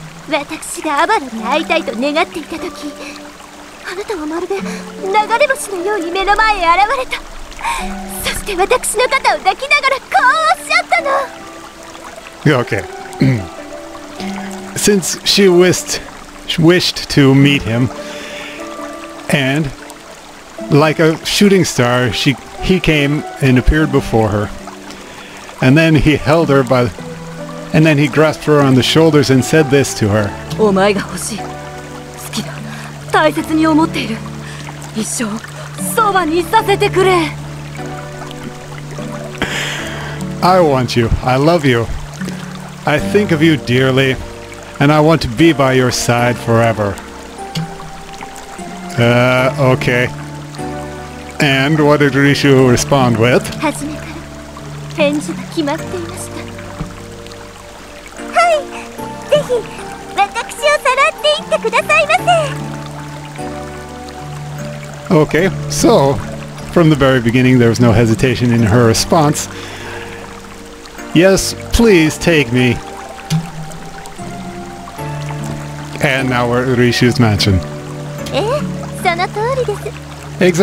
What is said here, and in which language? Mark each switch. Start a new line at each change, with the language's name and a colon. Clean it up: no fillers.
Japanese: 私がアバロに会いたいと願っていた時、あなたはまるで流れ星のように目の前へ現れた。そして私の肩を抱きながらこうおっしゃったの。
English: Okay. Since she wished to meet him, and like a shooting star, he came and appeared before her. And then he held her by the, and then he grasped her on the shoulders and said this to her.
Japanese: お前が欲しい。好きだ。大切に思っている。一生そばにさせてくれ。
English: I want you. I love you. I think of you dearly, and I want to be by your side forever. Okay. And what did Rishu respond with?
Japanese: はじめから返事が決まっていました。はい、ぜひ私をさらっていってくださいませ。
English: Okay, so from the very beginning, there was no hesitation in her response. Yes, please take me. And now we're at Rishu's mansion.
Japanese: ええ、その通りです。